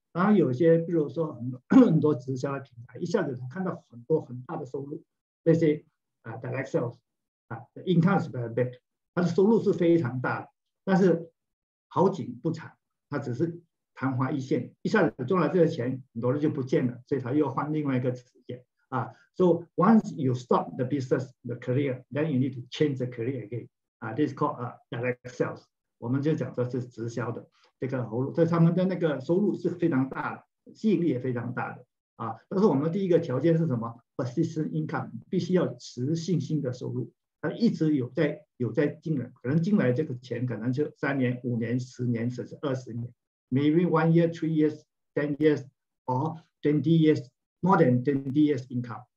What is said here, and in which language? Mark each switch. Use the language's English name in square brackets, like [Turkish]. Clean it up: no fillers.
[Chinese] 然后有些比如说很多直销的品牌，一下子他看到很多很大的收入，那些啊 direct sales 啊 [English] the income is very big。 [Chinese] 它的收入是非常大的，但是好景不长，它只是昙花一现，一下子赚了这个钱，很多人就不见了，所以它又换另外一个职业啊。 [English] So once you stop the business, the career, then you need to change the career again. 啊 ，this is called direct sales. [Chinese] 我们就讲说是直销的这个收入，所以他们的那个收入是非常大的，吸引力也非常大的啊。但是我们第一个条件是什么 ？Persistent income， 必须要持续性的收入。他一直有在进来，可能进来这个钱可能就三年、五年、十年，甚至二十年 ， [English] maybe one year, three years, ten years, or twenty years, more than twenty years income.